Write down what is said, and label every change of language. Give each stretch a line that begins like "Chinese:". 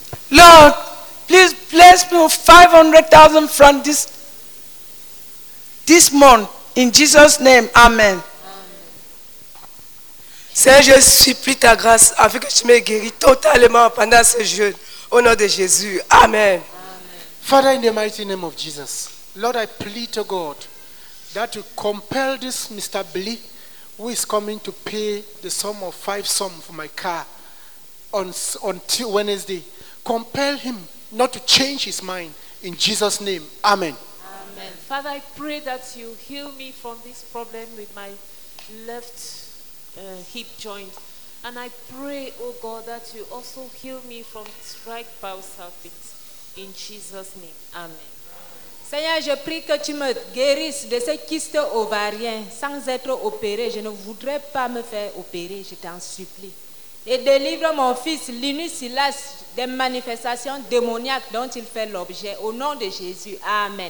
English: Lord, please bless me with 500,000 francs this month. In Jesus' name, amen. Amen.
French: Seigneur, je supplie ta grâce afin que tu m'aies guéri totalement pendant ce jeûne. Au nom de Jésus. Amen.
English: Father, in the mighty name of Jesus, Lord, I plead to God that you compel this Mr. Billy, who is coming to pay the sum of 5 sums for my car on Wednesday, compel him not to change his mind in Jesus' name. Amen. Amen. Father, I pray that you heal me from this problem with my left hip joint. And I pray, oh God, that you also heal me from strike bowels habits. In Jesus' name, amen.
French: Seigneur, je prie que tu me guérisses de ces kystes ovariens sans être opéré. Je ne voudrais pas me faire opérer, je t'en supplie. Et délivre mon fils Linus Silas des manifestations démoniaques dont il fait l'objet. Au nom de Jésus, amen.